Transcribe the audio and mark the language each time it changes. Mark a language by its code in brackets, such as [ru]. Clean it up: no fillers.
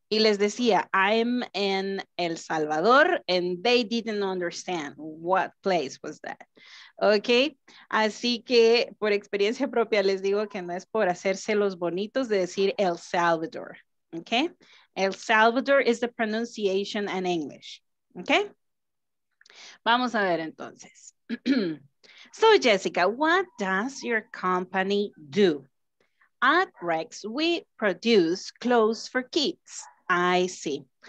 [es] Y les decía, [en] I'm in El Salvador, and they didn't understand what place was that. [es] Okay, así que por experiencia propia les digo que no es por hacerse los bonitos de decir El Salvador. [en] Okay, El Salvador is the pronunciation in English. Okay, [es] vamos a ver entonces. [en] So Jessica, what does your company do? At Rex, we produce clothes for kids. I see.